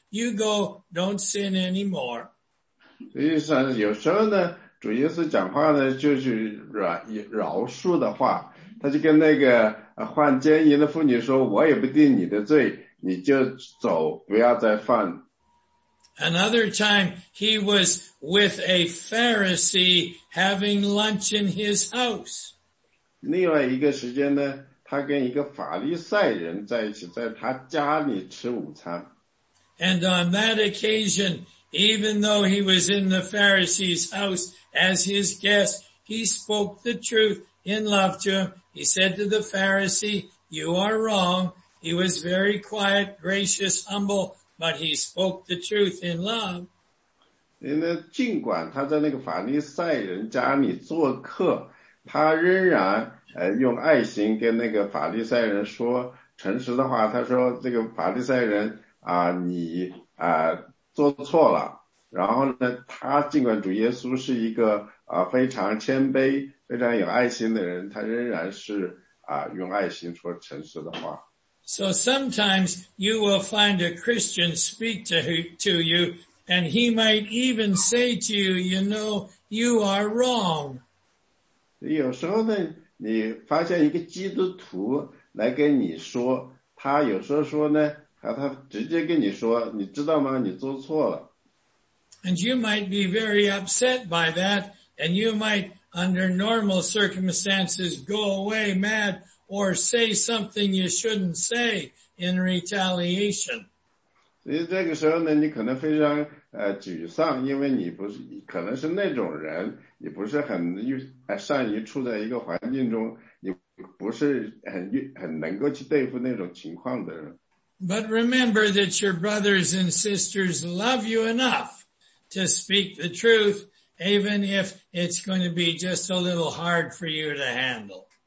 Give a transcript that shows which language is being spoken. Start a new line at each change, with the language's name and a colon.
English: You go, don't sin anymore.
Chinese: 所以上有时候呢主耶稣讲话呢就是饶恕的话他就跟那个患奸淫的妇女说我也不定你的罪你就走不要再犯。
English: Another time, he was with a Pharisee having lunch in his house.
Chinese: 另外一个时间呢他跟一个法利赛人在一起在他家里吃午餐。
English: And on that occasion, even though he was in the Pharisee's house as his guest, he spoke the truth in love to him. He said to the Pharisee, you are wrong. He was very quiet, gracious, humble, but he spoke the truth in love.
Chinese: 尽管他在那个法利赛人家里做客，他仍然用爱心跟那个法利赛人说诚实的话，他说这个法利赛人你做错了。然后呢，他尽管主耶稣是一个非常谦卑、非常有爱心的人，他仍然是用爱心说诚实的话。
English: So sometimes you will find a Christian speak to you, and he might even say to you, "You know, you are wrong."
Chinese: 有时候呢，你发现一个基督徒来跟你说，他有时候说呢。他直接跟你说你知道吗你做错了。
English: And you might be very upset by that And you might, under normal circumstances, go away mad or say something you shouldn't say in retaliation.
Chinese: 所以这个时候呢，你可能非常沮丧，因为你不是可能是那种人，你不是很善于处在一个环境中，你不是很能够去对付那种情况的人。
English: But remember that your brothers and sisters love you enough to speak the truth, even if it's going to be just a little hard for you to handle.